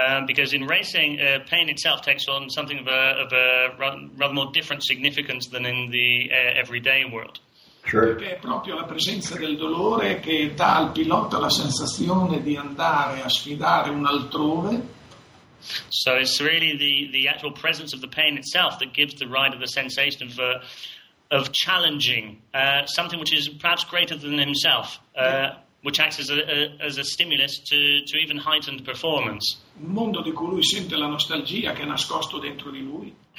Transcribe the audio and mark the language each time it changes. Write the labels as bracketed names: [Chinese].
[English] Because in racing, pain itself takes on something of a rather more different significance than in the everyday world. Sure. [Italian] Perché è proprio la presenza del dolore che dà al pilota la sensazione di andare a sfidare un altrove. [English] So it's really the actual presence of the pain itself that gives the rider the sensation of challenging something which is perhaps greater than himself, which acts as a stimulus to even heightened performance. [Italian] Un mondo di cui lui sente la nostalgia che è nascosto dentro di lui.